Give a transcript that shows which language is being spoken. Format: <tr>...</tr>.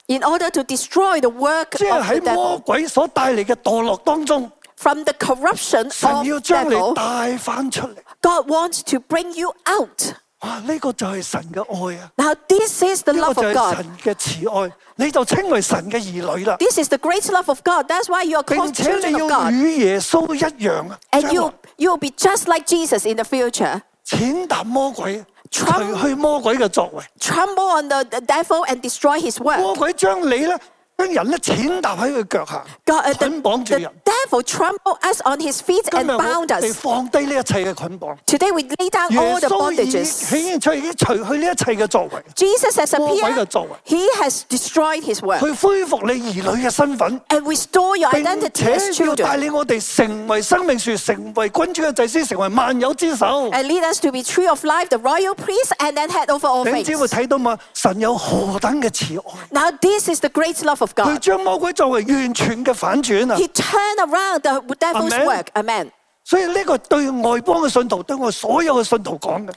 <en>In order to destroy the work of the devil.</en> <yue>即系喺魔鬼所带嚟嘅堕落当中。</yue> <en>From the corruption of the devil.</en> <yue>神要将你带翻出嚟。</yue> <en>God wants to bring you out.</en> <yue>哇！呢个就系神嘅爱啊！</yue> <en>Now this is the love of God.</en> <yue>呢个就系神嘅慈爱，你就称为神嘅儿女啦。</yue> <en>This is the great love of God. That's why you are called children of God.</en> <yue>并且你要与耶稣一样啊！</yue> <en>And you will be just like Jesus in the future.</en> <yue>践踏魔鬼，除去魔鬼嘅作为。</yue> <en>Trample on the devil and destroy his work.</en> <yue>魔鬼将你咧，将人咧践踏喺佢脚下，捆绑住人。</yue> <en>Devil trampled us on his feet and bound us.</en> <yue>今日我哋放低呢一切嘅捆绑。</yue> <en>Today we lay down all the bondages.</en> <yue>耶稣已经显现出，已经除去呢一切嘅作为。</yue> <en>Jesus has appeared.</en> <yue>魔鬼嘅作为。</yue> <en>He has destroyed his work.</en> <yue>去恢复你儿女嘅身份。</yue> <en>And restore your identity as children.</en> <yue>并且要带领我哋成为生命树，成为君主嘅祭司，成为万有之首。</yue> <en>And lead us to be tree of life, the royal priest, and then head over all things.</en> <yue>你只会睇到嘛？神有何等嘅慈爱。</yue> <en>Now this is the great love of God.</en> <yue>佢将魔鬼作为完全嘅反转啊。</yue> <en>He turned. Around the devil's work, amen.</en> <yue>所以呢个对外邦嘅信徒，对我所有嘅信徒讲嘅。</yue>